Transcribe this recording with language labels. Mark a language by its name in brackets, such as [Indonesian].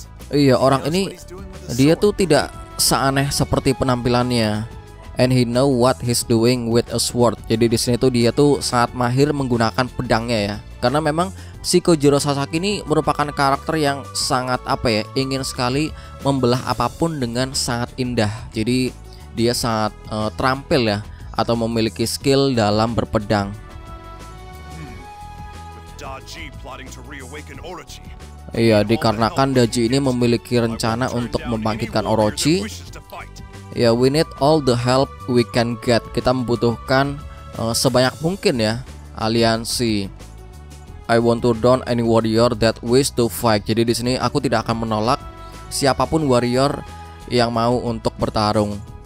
[Indonesian] Iya, orang ini dia tuh tidak seaneh seperti penampilannya. [English] And he know what he's doing with a sword. [Indonesian] Jadi di sini tuh dia tuh sangat mahir menggunakan pedangnya ya. Karena memang si Kojiro Sasaki ini merupakan karakter yang sangat apa ya, ingin sekali membelah apapun dengan sangat indah. Jadi dia sangat terampil ya, atau memiliki skill dalam berpedang. [English] Daji plotting to reawaken Orochi. [Indonesian] Iya, dikarenakan Daji ini memiliki rencana untuk membangkitkan Orochi. [English] Ya, we need all the help we can get. [Indonesian] Kita membutuhkan sebanyak mungkin ya aliansi. [English] I want to down any warrior that wish to fight. [Indonesian] Jadi di sini aku tidak akan menolak siapapun warrior yang mau untuk bertarung.